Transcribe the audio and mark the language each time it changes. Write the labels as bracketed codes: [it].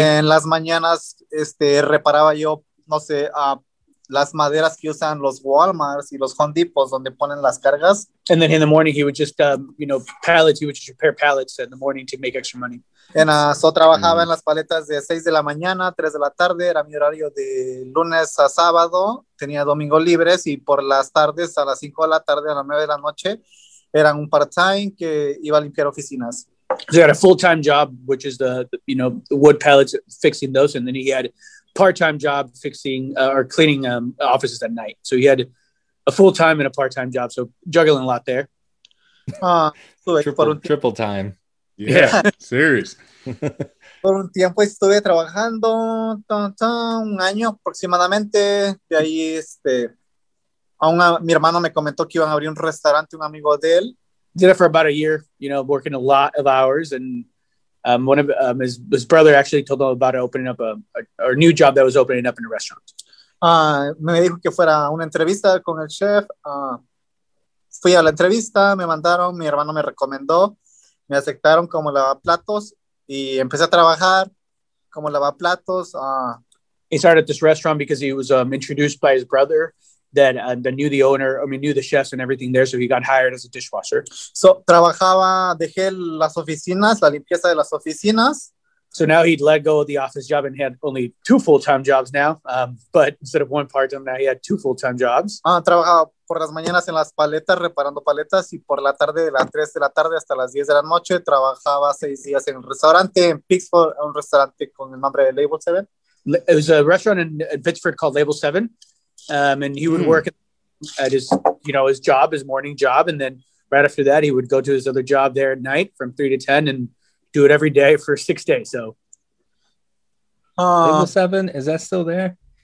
[es] En las mañanas, reparaba yo, no sé, las maderas que usan los Walmarts y los Home Depots donde ponen las cargas. [en] And then in the morning, he would just, pallets. He would just repair pallets in the morning to make extra money. [es] En so trabajaba en las paletas de 6 de la mañana, 3 de la tarde. Era mi horario de lunes a sábado. Tenía domingo libres y por las tardes a las 5 de la tarde, a las 9 de la noche, eran un part-time que iba a limpiar oficinas. [en] So he had a full-time job, which is the wood pallets, fixing those, and then he had part-time job fixing or cleaning offices at night. So he had a full-time and a part-time job, so juggling a lot there. triple time. Yeah, serious. [es] Por un tiempo estuve trabajando, un año aproximadamente, de ahí mi hermano me comentó que iban a abrir un restaurante, un amigo de él. [en] Did it for about a year, working a lot of hours. And his brother actually told him about opening up a new job that was opening up in a restaurant. [es] Me dijo que fuera una entrevista con el chef. Fui a la entrevista, me mandaron, mi hermano me recomendó. Me aceptaron como lavaplatos y empecé a trabajar como lavaplatos. [en] He started at this restaurant because he was introduced by his brother. That knew the owner, knew the chefs and everything there, so he got hired as a dishwasher. [es] So, trabajaba, dejé las oficinas, la limpieza de las oficinas. [en] So now he'd let go of the office job and had only 2 full-time jobs now, but instead of 1 part-time, now he had 2 full-time jobs. [es] Trabajaba por las mañanas en las paletas, reparando paletas, y por la tarde, de las 3 de la tarde hasta las 10 de la noche, trabajaba 6 días en un restaurante, en Pittsburgh, un restaurante con el nombre de Label 7. [en] It was a restaurant in Pittsburgh called Label 7. And he would work at his, his job, his morning job. And then right after that, he would go to his other job there at night from 3 to 10 and do it every day for 6 days. So. Label 7, is that still there?